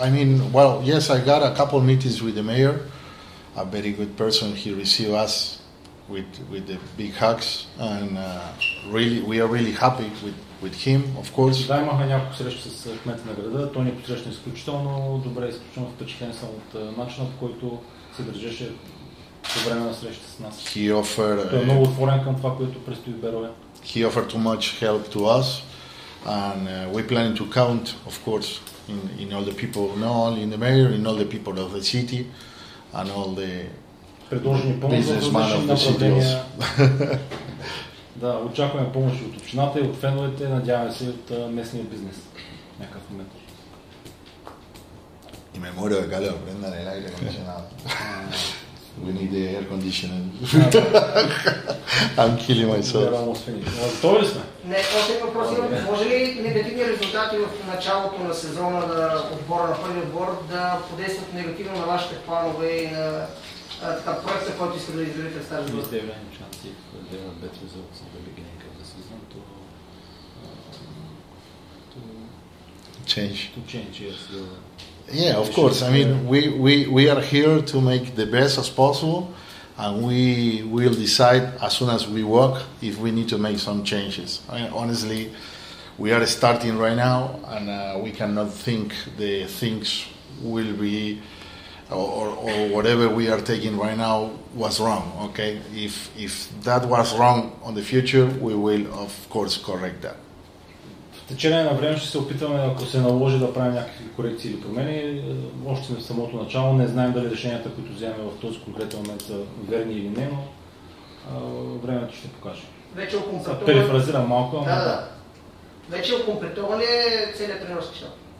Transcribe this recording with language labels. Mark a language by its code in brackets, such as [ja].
[en] I mean, I got a couple meetings with the mayor, a very good person. He received us with the big hugs and really we are really happy with him, of course. [bg] Да, имахме някакво среща с кмета на града, той ни посрещна изключително добре, изключително впечатлен съм от начина, по който се държеше по време на среща с нас. [en] He offered, [bg] той е много отворен към това, което предстои Берое. [en] He offered too much help to us and we planning to count, of course, in all the people, not only in the mayor, in all the people of the city and all the [bg] предложени помощи за различни направления. Да, очакваме помощи от общината и от феновете, надяваме се от местния бизнес. Някакъв момент. [es] И ме море да каля, бренда на елайка кондиционал. [bg] We need the air conditioning. I'm killing myself. Готови ли сме? Не, още въпрос имам. Може ли негативни резултати в началото на сезона на отбора, на първи отбор, да подействат негативно на вашите планове и на [en] Is there any chance if there are bad results at the beginning of the season to change? To change, yes. Yeah, of course. I mean, we are here to make the best as possible, and we will decide as soon as we work if we need to make some changes. I mean, honestly, we are starting right now, and we cannot think the things will be or whatever we are taking right now was wrong. Okay, if that was wrong on the future, we will of course correct that. [bg] Течение на време ще се опитваме, ако се наложи да правим някакви корекции или промени. Още сме в самото начало, не знаем дали решенията, които вземем в този конкретен момент са верни или не, но времето ще покаже. Вече окомплектоване... Перефразирам малко, но... Да. Вече окомплектоване целият тренерски щаб.